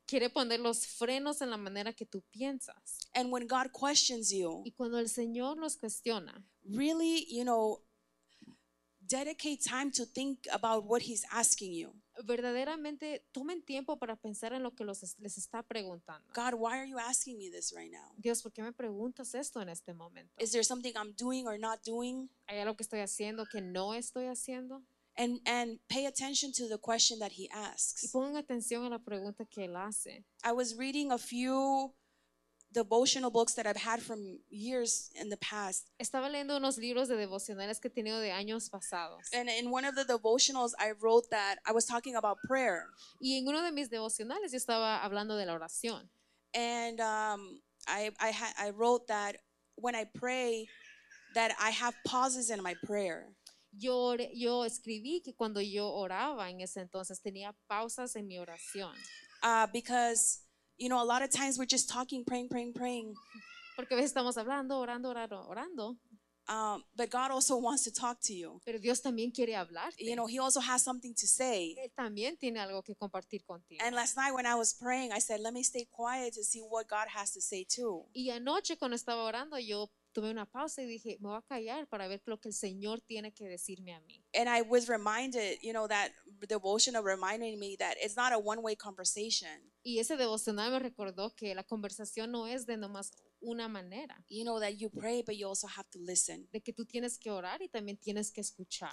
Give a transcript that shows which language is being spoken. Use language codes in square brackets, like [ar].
[es] Quiere poner los frenos en la manera que tú piensas. [en] And when God questions you, [es] y cuando el Señor nos cuestiona, [en] really, you know, dedicate time to think about what he's asking you. [es] Verdaderamente, tomen tiempo para pensar en lo que les está preguntando. [en] God, why are you asking me this right now? [es] Dios, ¿por qué me preguntas esto en este momento? [en] Is there something I'm doing or not doing? [es] ¿Hay algo que estoy haciendo que no estoy haciendo? [en] And pay attention to the question that he asks. [es] Y pongan atención a la pregunta que él hace. [en] I was reading a few devotional books that I've had from years in the past. [es] Estaba leyendo unos libros de devocionales que he tenido de años pasados. [en] And in one of the devotionals, I wrote that I was talking about prayer. [es] Y en uno de mis devocionales yo estaba hablando de la oración. [en] And I wrote that when I pray, that I have pauses in my prayer. [es] Yo escribí que cuando yo oraba en ese entonces tenía pausas en mi oración. [en] Because, you know, a lot of times we're just talking, praying. [es] Porque a veces estamos hablando, orando. [en] But God also wants to talk to you. [es] Pero Dios también quiere hablarte. [en] You know, he also has something to say. [es] Él también tiene algo que compartir contigo. [en] And last night when I was praying, I said, let me stay quiet to see what God has to say too. [es] Y anoche cuando estaba orando, yo tomé una pausa y dije, me voy a callar para ver lo que el Señor tiene que decirme a mí. [en] And I was reminded, you know, that devotional reminding me that it's not a one-way conversation. [es] Y ese devocional me recordó que la conversación no es de nomás una manera. [en] You know, that you pray, but you also have to listen. [es] De que tú tienes que orar y también tienes que escuchar.